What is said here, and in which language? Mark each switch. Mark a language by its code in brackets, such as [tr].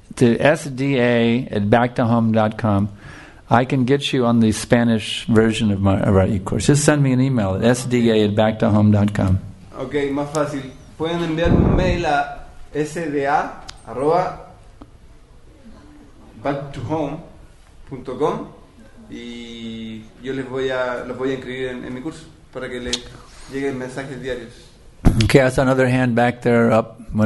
[en] To sda@backtohome.com, I can get you on the Spanish version of our e-course. Just send me an email at sda@backtohome.com. [es] Okay, más fácil. Pueden enviarme un mail a sda@backtohome.com y yo los voy a inscribir en mi curso para que les lleguen mensajes diarios. [en] Okay, I saw another hand back there up.